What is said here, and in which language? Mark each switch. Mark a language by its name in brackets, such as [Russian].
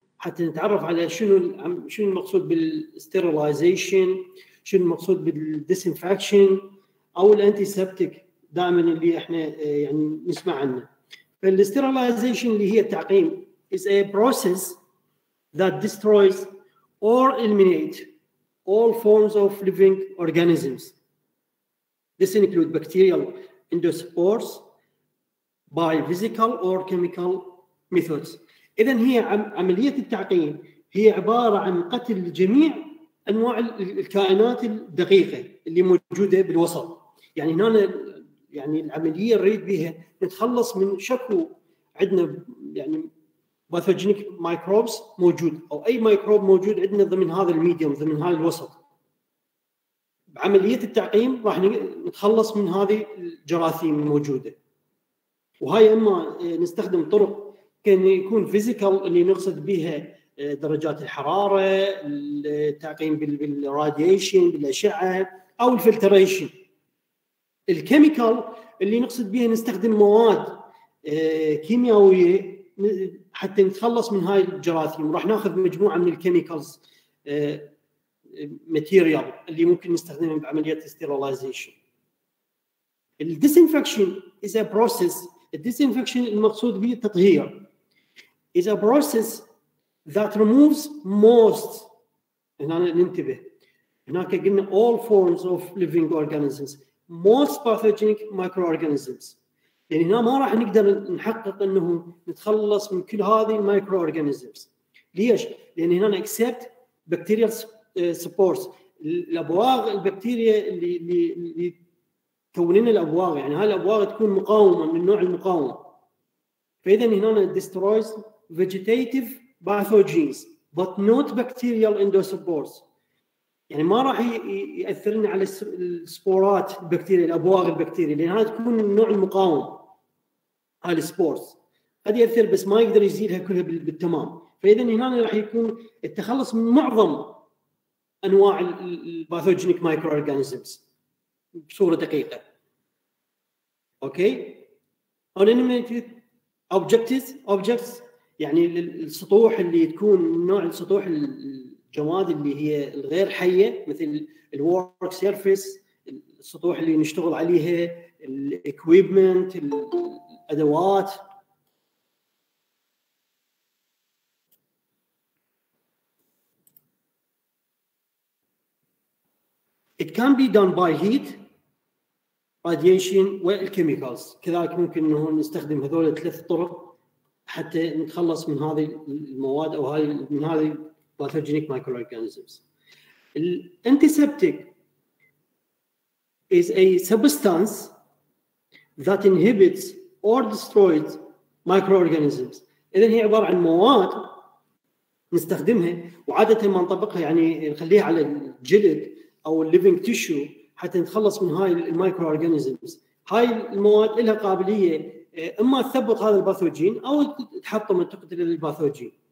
[Arabic] حتى نتعرف على شنو المقصود بالستيرلايزيشن، شنو المقصود بالديسنفكشن او الانتيسبتيك دائما اللي احنا يعني نسمع عنه. فالستيرلايزيشن اللي هي التعقيم [English] is a process that destroys or eliminates all forms of living organisms. This includes bacterial endospores by physical or chemical methods. [Arabic] إذن هي عملية التعقيم هي عبارة عن قتل جميع أنواع الكائنات الدقيقة اللي موجودة بالوسط. يعني هنا يعني العملية نريد بها نتخلص من شكو عندنا يعني باثوجينيك مايكروبس موجود أو أي مايكروب موجود عندنا ضمن هذا الميديوم ضمن هذا الوسط. بعملية التعقيم راح نتخلص من هذه الجراثيم الموجودة. وهاي أما نستخدم طرق كان يكون فيزيكال اللي نقصد بها درجات الحرارة، التعقيم بالراديشن بالأشعة أو الفلتريشن. الكيميكال اللي نقصد بها نستخدم مواد كيميائية حتى نتخلص من هاي الجراثيم، راح ناخذ مجموعة من الكيميكالز ماتيريال اللي ممكن نستخدمها بعملية الستيرلايزيشن. [English] الديسينفكشن is a process. [Arabic] الديسينفكشن المقصود به التطهير. [English] Is a process that removes most. [Arabic] هنا ننتبه. هناك قلنا [English] all forms of living organisms. Most pathogenic microorganisms. [Arabic] يعني هنا ما راح نقدر نحقق أنه نتخلص من كل هذه microorganisms. ليش؟ لأن هنا [English] except bacterial supports. [Arabic] الأبواغ البكتيريا اللي كونين الأبواغ. يعني هاي الأبواغ تكون مقاومة من نوع المقاومة. فإذا هنا [English] destroys vegetative pathogens but not bacterial endospores. [Arabic] يعني ما راح يأثرنا على السبورات البكتيريا الأبواغ البكتيريا لأنها تكون نوع المقاوم على السبورز. قد يأثر بس ما يقدر يزيلها كلها بالتمام. فإذا هنا راح يكون التخلص من معظم أنواع الباثوجينيك مايكرو أورجانيزمز بصورة دقيقة. [English] Okay animated objects. [Arabic] أوبجكتز يعني السطوح اللي تكون نوع السطوح الجماد اللي هي الغير حية مثل الورك سيرفيس السطوح اللي نشتغل عليها الإكويبمنت الأدوات. [English] It can be done by heat, radiation, well, chemicals. [Arabic] كذلك ممكن إنه نستخدم هذول الثلاث طرق حتى نتخلص من هذه المواد أو من هذه [English] pathogenic microorganisms. The antiseptic is a substance that inhibits or destroys microorganisms. [Arabic] إذن هي عبارة عن مواد نستخدمها وعادة ما نطبقها يعني نخليها على الجلد أو [English] living tissue [Arabic] حتى نتخلص من هاي الميكروأورجانيزمز. هاي المواد لها قابلية إما تثبط هذا الباثوجين أو تحطم تقتل الباثوجين.